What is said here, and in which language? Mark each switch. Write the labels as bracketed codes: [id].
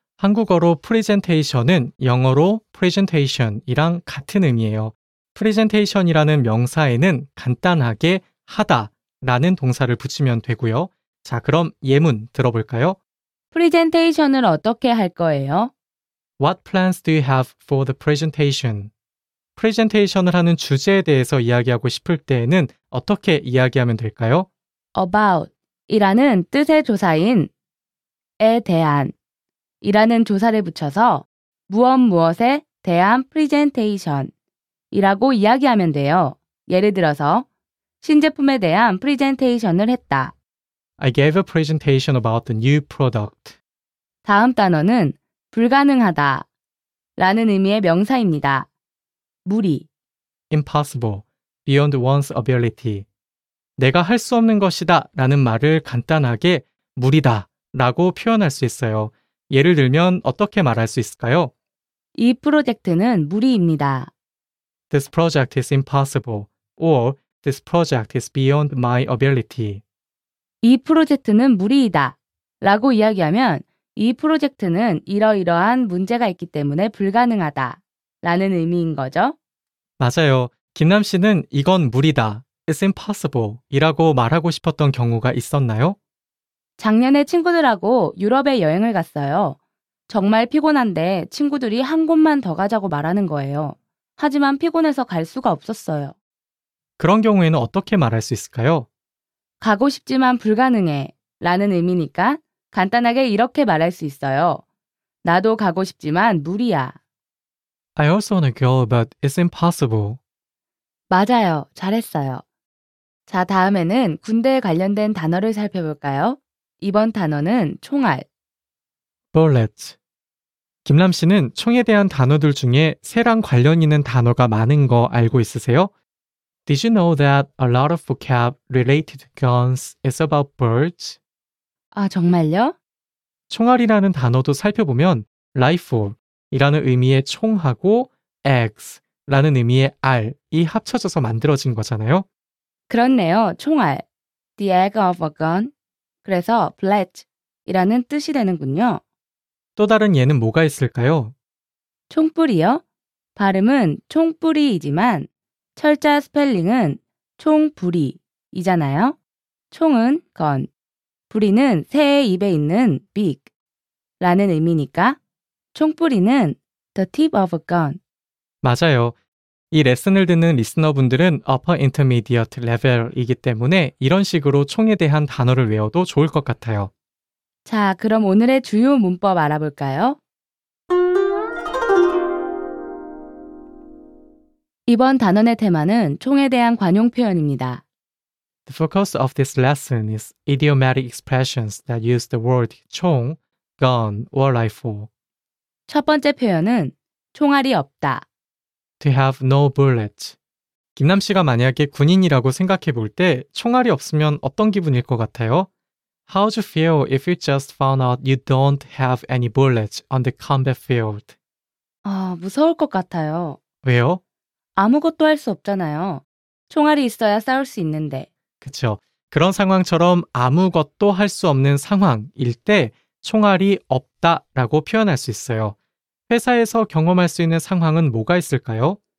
[ko] 한국어로 프레젠테이션은 영어로 프레젠테이션이랑 같은 의미예요. 프레젠테이션이라는 명사에는 간단하게 하다라는 동사를 붙이면 되고요. 자, 그럼 예문 들어볼까요? 프레젠테이션을 어떻게 할 거예요? [en] What plans do you have for the presentation? [ko] 프레젠테이션을 하는 주제에 대해서 이야기하고 싶을 때에는 어떻게 이야기하면 될까요? About이라는 뜻의 조사인 에 대한이라는 조사를 붙여서 무엇무엇에 대한 프레젠테이션이라고 이야기하면 돼요. 예를 들어서 신제품에 대한 프레젠테이션을 했다. [en] I gave a presentation about the new product. [ko] 다음 단어는 불가능하다. 라는 의미의 명사입니다. 무리. [en] Impossible. Beyond one's ability. [ko] 내가 할 수 없는 것이다 라는 말을 간단하게 무리다 라고 표현할 수 있어요. 예를 들면 어떻게 말할 수 있을까요? 이 프로젝트는 무리입니다. [en] This project is impossible or this project is beyond my ability. [ko] 이 프로젝트는 무리이다 라고 이야기하면 이 프로젝트는 이러이러한 문제가 있기 때문에 불가능하다 라는 의미인 거죠. 맞아요. 김남 씨는 이건 무리다, [en] it's impossible [ko] 이라고 말하고 싶었던 경우가 있었나요? 작년에 친구들하고 유럽에 여행을 갔어요. 정말 피곤한데 친구들이 한 곳만 더 가자고 말하는 거예요. 하지만 피곤해서 갈 수가 없었어요. 그런 경우에는 어떻게 말할 수 있을까요? 가고 싶지만 불가능해 라는 의미니까 간단하게 이렇게 말할 수 있어요. 나도 가고 싶지만 무리야. [en] I also want to go, but it's impossible. [ko] 맞아요. 잘했어요. 자, 다음에는 군대에 관련된 단어를 살펴볼까요? 이번 단어는 총알. [en] Bullet. [ko] 김남 씨는 총에 대한 단어들 중에 새랑 관련 있는 단어가 많은 거 알고 있으세요? [en] Did you know that a lot of vocab related to guns is about birds? [ko] 아, 정말요? 총알이라는 단어도 살펴보면 rifle이라는 의미의 총하고 eggs라는 의미의 알이 합쳐져서 만들어진 거잖아요. 그렇네요. 총알. [en] The egg of a gun. [ko] 그래서 bullet이라는 뜻이 되는군요. 또 다른 예는 뭐가 있을까요? 총뿌리요? 발음은 총뿌리이지만 철자 스펠링은 총부리이잖아요. 총은 gun. 뿌리는 새의 입에 있는 beak라는 의미니까 총뿌리는 [en] the tip of a gun. [ko] 맞아요. 이 레슨을 듣는 리스너분들은 [en] upper intermediate level [ko] 이기 때문에 이런 식으로 총에 대한 단어를 외워도 좋을 것 같아요. 자, 그럼 오늘의 주요 문법 알아볼까요? 이번 단원의 테마는 총에 대한 관용 표현입니다. [en] The focus of this lesson is idiomatic expressions that use the word 총, gun, or rifle. [ko] 첫 번째 표현은 총알이 없다. [en] To have no bullets. [ko] 김남 씨가 만약에 군인이라고 생각해 볼 때 총알이 없으면 어떤 기분일 것 같아요? [en] How'd you feel if you just found out you don't have any bullets on the combat field? [ko] 아, 무서울 것 같아요. 왜요? 아무것도 할 수 없잖아요. 총알이 있어야 싸울 수 있는데. 그쵸. 그런 상황처럼 아무것도 할 수 없는 상황일 때 총알이 없다 라고 표현할 수 있어요. 회사에서 경험할 수 있는 상황은 뭐가 있을까요?